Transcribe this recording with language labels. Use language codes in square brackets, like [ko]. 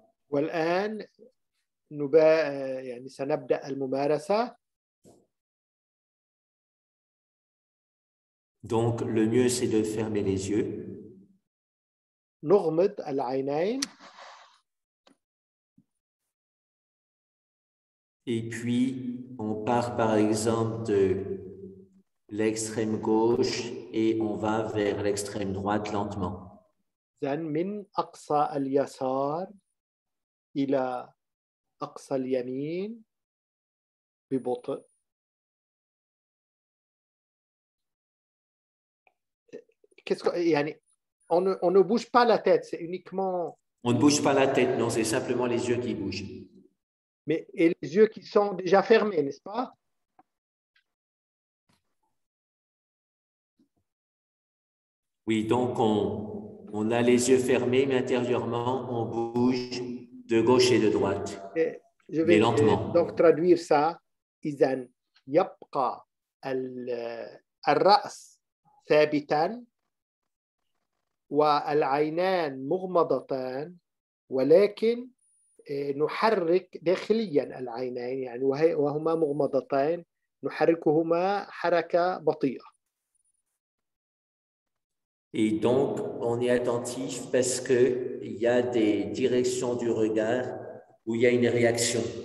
[ar] والآن يعني سنبدأ الممارسة. [fr] Donc le mieux c'est de fermer les yeux. [ar] نغمض العينين. [fr] Et puis on part par exemple de l'extrême gauche et on va vers l'extrême droite lentement. [ar] Then من أقصى اليسار إلى أقصى اليمين ببطء. [fr] Qu'est-ce que, yani, on ne bouge pas la tête, c'est uniquement... On ne bouge pas la tête, non, c'est simplement les yeux qui bougent. Mais, et les yeux qui sont déjà fermés, n'est-ce pas? Oui, donc on a les yeux fermés, mais intérieurement, on bouge de gauche et de droite, et je vais mais lentement. Donc traduire ça, [ar] « إذن يبقى الرأس ثابتاً » والعينان مغمضتان ولكن نحرك داخليا العينين يعني وهما مغمضتان نحركهما حركة بطيئة. [fr] Et donc on est attentif parce que il y a des directions du regard où il y a une réaction.